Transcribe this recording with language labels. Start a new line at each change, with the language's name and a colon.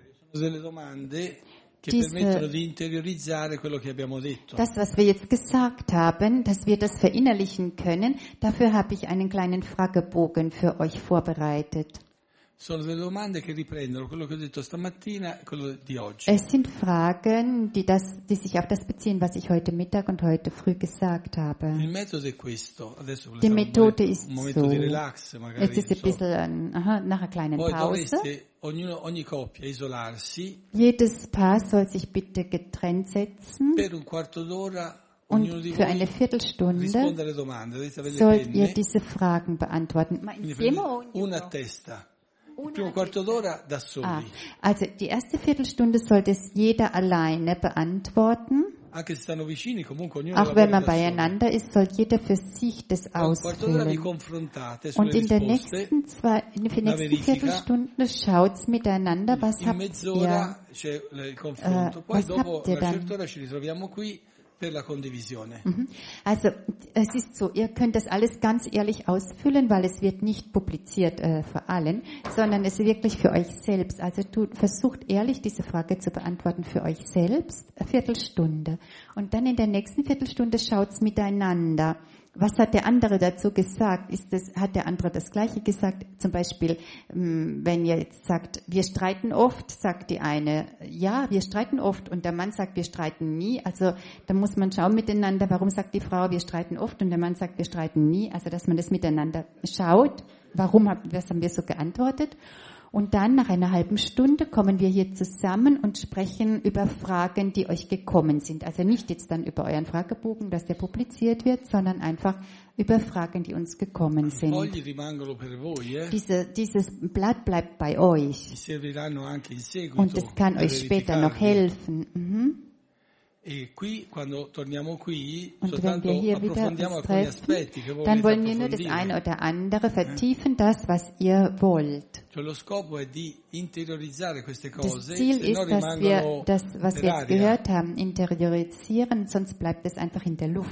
Italian: Delle domande che permettono di interiorizzare quello che abbiamo detto.
German: Das, was wir jetzt gesagt haben, dass wir das verinnerlichen können, dafür habe ich einen kleinen Fragebogen für euch vorbereitet.
Italian: Sono delle domande che riprendono quello che ho detto stamattina e quello di oggi.
German: Es sind Fragen, die sich auf das beziehen, was ich heute Mittag und heute früh gesagt habe.
Italian: Il metodo è questo. Adesso
German: die Methode ist
Italian: un momento
German: so.
Italian: Di relax, magari,
German: jetzt ist ein bisschen nach einer kleinen
Italian: Poi
German: Pause.
Italian: Ogni coppia isolarsi.
German: Jedes Paar soll sich bitte getrennt setzen.
Italian: Per un quarto d'ora.
German: Und für eine Viertelstunde sollt ihr diese Fragen beantworten.
Italian: Ma insieme o una testa. Il primo quarto d'ora da soli.
German: Ah, also die erste Viertelstunde sollte es jeder alleine beantworten.
Italian: Anche se stanno vicini, comunque ognuno
German: auch wenn man beieinander ist, soll jeder für sich das ausfüllen. Und in der nächsten Viertelstunde schaut es miteinander, was habt ihr.
Italian: C'è il confronto. Poi dopo una certa ora ci ritroviamo qui per la condivisione.
German: Also es ist so, ihr könnt das alles ganz ehrlich ausfüllen, weil es wird nicht publiziert für allen, sondern es ist wirklich für euch selbst. Also versucht ehrlich diese Frage zu beantworten für euch selbst, eine Viertelstunde. Und dann in der nächsten Viertelstunde schaut's miteinander. Was hat der andere dazu gesagt? Hat der andere das Gleiche gesagt? Zum Beispiel, wenn ihr jetzt sagt, wir streiten oft, sagt die eine, ja, wir streiten oft, und der Mann sagt, wir streiten nie. Also da muss man schauen miteinander, warum sagt die Frau, wir streiten oft, und der Mann sagt, wir streiten nie. Also dass man das miteinander schaut, was haben wir so geantwortet. Und dann nach einer halben Stunde kommen wir hier zusammen und sprechen über Fragen, die euch gekommen sind. Also nicht jetzt dann über euren Fragebogen, dass der publiziert wird, sondern einfach über Fragen, die uns gekommen sind.
Italian: Fogli rimangono per voi, eh?
German: Dieses Blatt bleibt bei euch.
Italian: Vi serviranno anche in seguito,
German: und es kann euch später noch helfen.
Italian: E qui, quando torniamo qui,
German: und wenn wir hier wieder uns treffen, dann wollen wir nur das eine oder andere vertiefen, das, was ihr wollt.
Italian: Cioè, lo scopo è di interiorizzare queste cose,
German: das Ziel ist, dass wir das, was wir jetzt gehört haben, interiorisieren, sonst bleibt es einfach in der Luft.